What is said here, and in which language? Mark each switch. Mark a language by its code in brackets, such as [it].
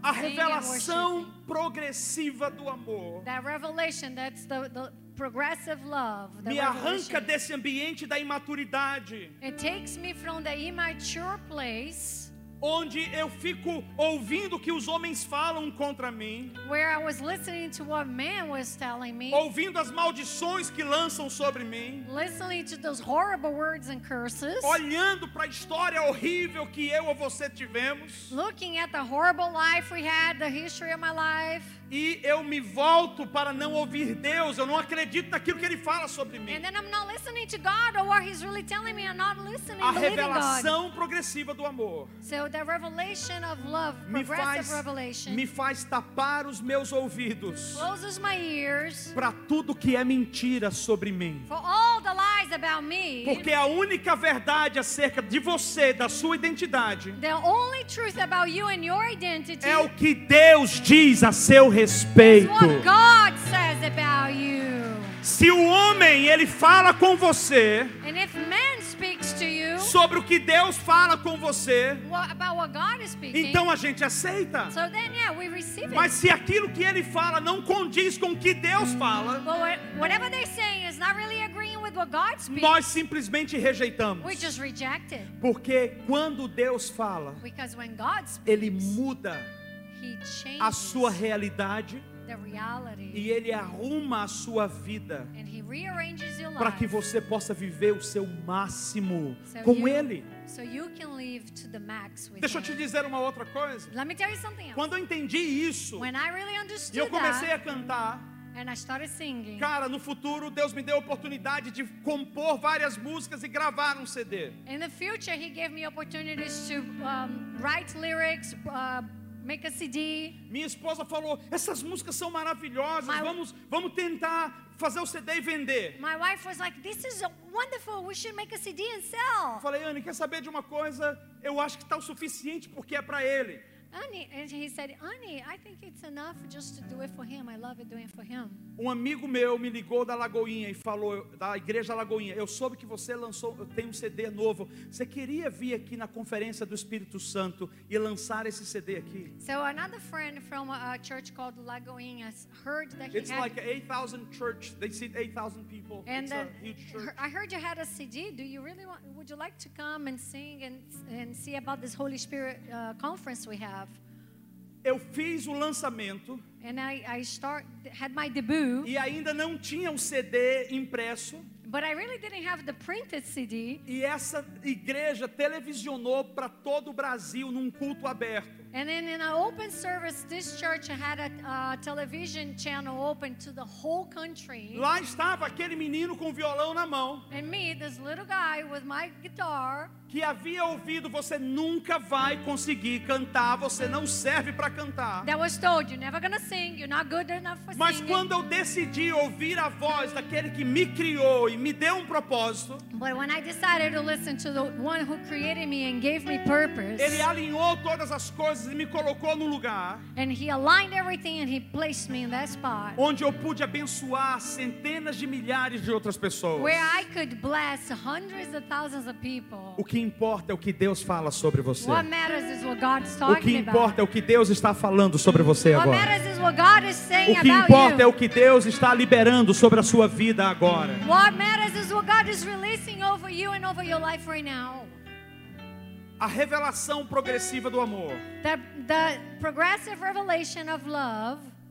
[pt] A revelação progressiva do amor. [en] That revelation, that's the progressive love. [pt] Me arranca desse ambiente da imaturidade. [en] It takes me from the immature place. [pt] onde eu fico ouvindo o que os homens falam contra mim, [en] where I was listening to what man was telling me, [pt] ouvindo as maldições que lançam sobre mim, [en] listening to those horrible words and curses, [pt] olhando para a história horrível que eu ou você tivemos, [en] looking at the horrible life we had, the history of my life, [pt] e eu me volto para não ouvir Deus, eu não acredito naquilo que ele fala sobre mim. [en] And then I'm not listening to God or what he's really telling me, I'm not listening, [pt] a revelação progressiva do amor. [en] So the revelation of love, progressive revelation, [pt] me faz tapar os meus ouvidos, [en] closes my ears, [pt] para tudo que é mentira sobre mim, [en] for all the lies about me, [pt] porque a única verdade acerca de você, da sua identidade, [en] the only truth about you and your identity, [pt] é o que Deus diz a seu respeito. [en] Is what God says about you. [pt] Se o homem ele fala com você, [en] and if man speaks to you, [pt] sobre o que Deus fala com você, [en] what, about what God is speaking, [pt] então a gente aceita. [en] So then, yeah, we receive it. [pt] Mas se aquilo que ele fala não condiz com o que Deus fala, [en] whatever they say is not really agreeing with what God speaks, [pt] nós simplesmente rejeitamos. [en] We just reject it. [pt] Porque quando Deus fala, [en] because when God speaks, [pt] ele muda, [en] he changes [pt] a sua realidade. [en] The reality. [pt] E ele arruma a sua vida para que você possa viver o seu máximo com ele. [en] So you can live to the max with [pt] Deixa [en] him. [pt] Eu te dizer uma outra coisa. [en] Let me tell you something else. [pt] Quando eu entendi isso, [en] when I really understood, [pt] e eu comecei [en] that, [pt] a cantar, [en] and I started singing, [pt] cara, no futuro Deus me deu a oportunidade de compor várias músicas e gravar um CD. [en] In the future, he gave me opportunities to write lyrics, make a CD. [pt] Minha esposa falou: essas músicas são maravilhosas. Vamos tentar fazer o CD e vender. [en] My wife was like, this is wonderful. We should make a CD and sell. [pt] Falei: Anne, quer saber de uma coisa? Eu acho que está o suficiente porque é para ele. [en] Annie, and he said, Annie, I think it's enough just to do it for him. I love doing it for him. [pt] Um amigo meu me ligou da Lagoinha e falou, da Igreja Lagoinha, eu soube que você lançou, eu tenho um CD novo. Você queria vir aqui na Conferência do Espírito Santo e lançar esse CD aqui? [en] So another friend from a church called Lagoinha heard that he it's had... It's like 8,000 church, they seat 8,000 people. And it's a huge church. I heard you had a CD. Do you really want, would you like to come and sing and see about this Holy Spirit conference we have? [pt] Eu fiz o lançamento, [en] and I start, had my debut, [pt] e ainda não tinha o CD impresso, [en] but I really didn't have the printed CD, [pt] e essa igreja televisionou para todo o Brasil num culto aberto. [en] And then in an open service, this church had a television channel open to the whole country. [pt] Lá estava aquele menino com violão na mão. [en] And me, this little guy with my guitar. [pt] Que havia ouvido, você nunca vai conseguir cantar, você não serve para cantar. [en] That was told, you're never gonna sing, you're not good enough for singing. [pt] Mas quando eu decidi ouvir a voz daquele que me criou e me deu um propósito. [en] But when I decided to listen to the one who created me and gave me purpose. [pt] Ele alinhou todas as coisas. E me colocou no lugar, [en] and he aligned everything and he placed me in that spot, [pt] onde eu pude abençoar centenas de milhares de outras pessoas, [en] where I could bless hundreds of thousands of people. [pt] O que importa é o que Deus fala sobre você. [en] What matters is what God's talking about. [pt] O que importa é o que Deus está falando sobre você agora. [en] What matters is what God is saying about you. [pt] O que importa é o que Deus está liberando sobre a sua vida agora. [en] What matters is what God is releasing over you and over your life right now. [pt] A revelação progressiva do amor. [en] The progressive revelation of love